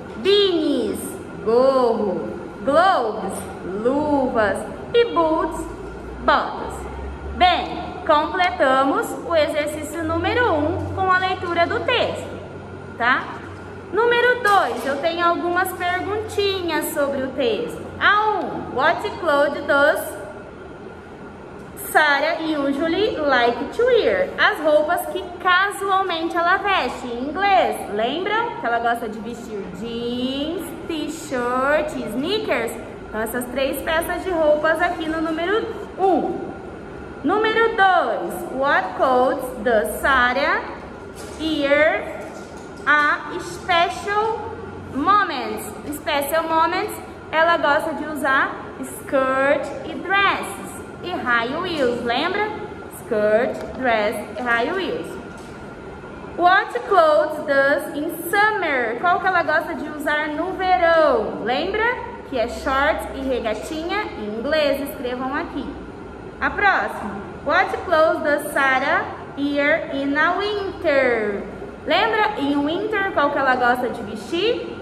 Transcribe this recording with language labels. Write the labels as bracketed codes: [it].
[en] Beanies, gorro. Gloves, luvas. [pt] E boots, botas. Bem, completamos o exercício número 1 com a leitura do texto, tá? Número 2, eu tenho algumas perguntinhas sobre o texto. [en] A 1, what clothes does Sarah usually like to wear? [pt] As roupas que casualmente ela veste em inglês. Lembra que ela gosta de vestir jeans, t-shirt, sneakers? Então, essas três peças de roupas aqui no número 1. Número 2, [en] what clothes does Sarah wear a special moments? [pt] Special moments, ela gosta de usar skirt e dresses e high heels, lembra? [en] Skirt, dress e high heels. What clothes does in summer? [pt] Qual que ela gosta de usar no verão? Lembra? Que é shorts e regatinha em inglês, escrevam aqui. A próxima. [en] What clothes does Sarah wear in a winter? [pt] Lembra? Em winter, qual que ela gosta de vestir?